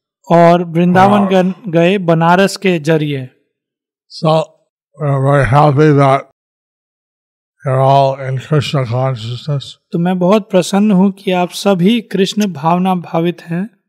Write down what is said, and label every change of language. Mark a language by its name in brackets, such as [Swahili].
[Hindi] और वृंदावन गए बनारस के जरिए. [English] So we're very happy that you're all in Krishna consciousness. [Hindi] तो मैं बहुत प्रसन्न हूँ कि आप सभी कृष्ण भावना भावित हैं.